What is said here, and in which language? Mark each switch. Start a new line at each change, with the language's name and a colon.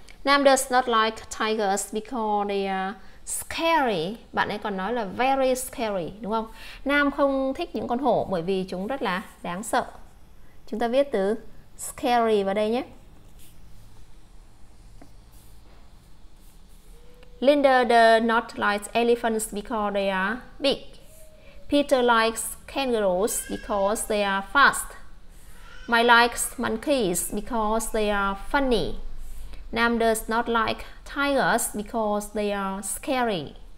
English: Nam does not like tigers because they are scary.
Vietnamese: Bạn ấy còn nói là
English: very scary,
Vietnamese: đúng không? Nam không thích những con hổ bởi vì chúng rất là đáng sợ. Chúng ta viết từ scary vào đây nhé.
English: Linda does not like elephants because they are big. Peter likes kangaroos because they are fast. Mai likes monkeys because they are funny. Nam does not like tigers because they are scary.